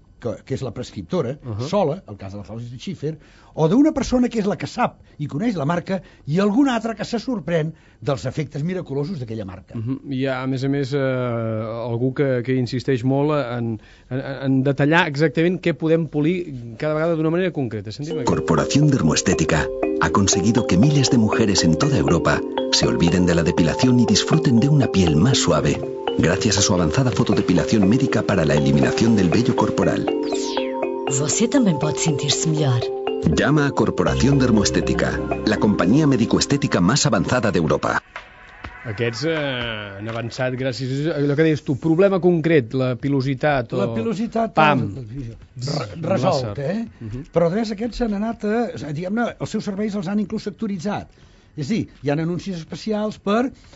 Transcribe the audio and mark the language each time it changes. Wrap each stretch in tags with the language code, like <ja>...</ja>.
<ca>que és la prescriptora, sola, el cas de la Flossie Schiffer, o d'una persona que és la que sap i coneix la marca i alguna altra que se sorprèn dels efectes miraculosos d'aquella marca. Hi ha, a més, algú que insisteix molt en detallar exactament què podem polir cada vegada d'una manera concreta.</ca> <es>Sentim Corporación Dermoestética ha conseguido que miles de mujeres en toda Europa se olviden de la depilación y disfruten de una piel más suave. Gracias a su avanzada fotodepilación médica para la eliminación del vello corporal.</es> <ca>Vostè també pot sentir-se millor.</ca> <es>Llama a Corporación Dermoestética, la compañía médico-estética más avanzada de Europa.</es> <ca>Aquests han avançat gràcies a allò que deies tu, problema concret, la pilositat o... La pilositat... Pam! Resolt, eh? Però res, aquests s'han anat a... Diguem-ne, els seus serveis els han inclús sectoritzat. És a dir, hi ha anuncis especials per...</ca>